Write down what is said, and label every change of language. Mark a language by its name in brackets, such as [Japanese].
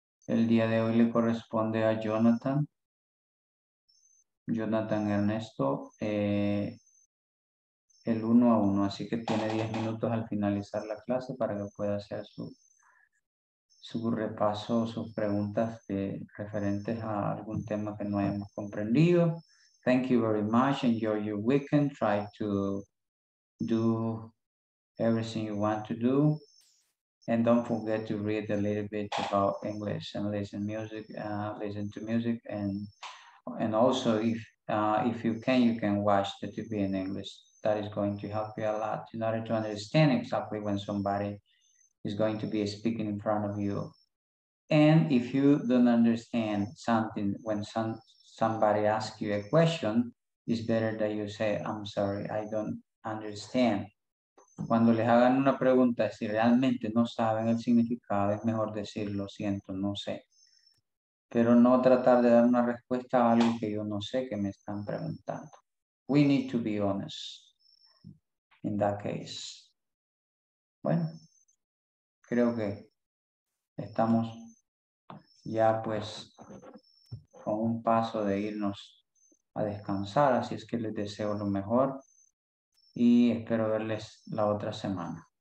[Spanish] El día de hoy le corresponde a Jonathan. Jonathan Ernesto, el 1-1, así que tiene 10 minutos al finalizar la clase para que pueda hacer su repaso, sus preguntas referentes a algún tema que no hayamos comprendido. [English] Thank you very much. Enjoy your weekend. Try to do everything you want to do. And don't forget to read a little bit about English and listen music, listen to music. And also, if you can watch the TV in English. That is going to help you a lot in order to understand exactly when somebody is going to be speaking in front of you. And if you don't understand something when somebody asks you a question, it's better that you say, I'm sorry, I don't understand. [Spanish] Cuando les hagan una pregunta, si realmente no saben el significado, es mejor decir, lo siento, no sé. Pero no tratar de dar una respuesta a alguien que yo no sé que me están preguntando. [English] We need to be honest in that case. [Spanish] Bueno, creo que estamos ya pues con un paso de irnos a descansar, así es que les deseo lo mejor y espero verles la otra semana.